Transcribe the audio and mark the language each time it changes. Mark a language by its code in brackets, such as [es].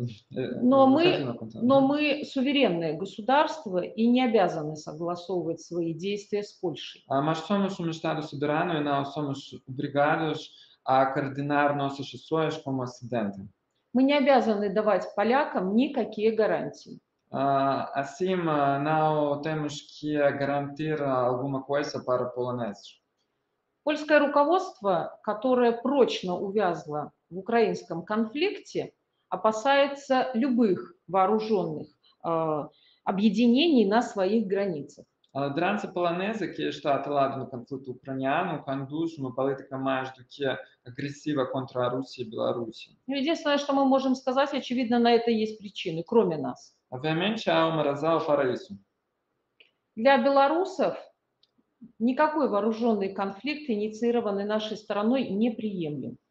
[ru] Но мы суверенное государство и не обязаны согласовывать свои действия с Польшей. [pt] Mas somos um Estado soberano e não somos obrigados a coordenar nossas ações com o Ocidente. [ru] Мы не обязаны давать полякам никакие гарантии. [pt] Assim, não temos que garantir alguma coisa para polonês. [ru] Польское руководство, которое прочно увязло в украинском конфликте, опасается любых вооруженных объединений на своих границах. [pt] Liderança polonesa, que está atrelada no conflito ucraniano, conduz uma política mais do que agressiva contra a Rússia e a Bielorrússia. [ru] Единственное, что мы можем сказать, очевидно, на это есть причины, кроме нас. [pt] Obviamente, há uma razão para isso. [ru] Для белорусов никакой вооруженный конфликт, инициированный нашей стороной, неприемлем.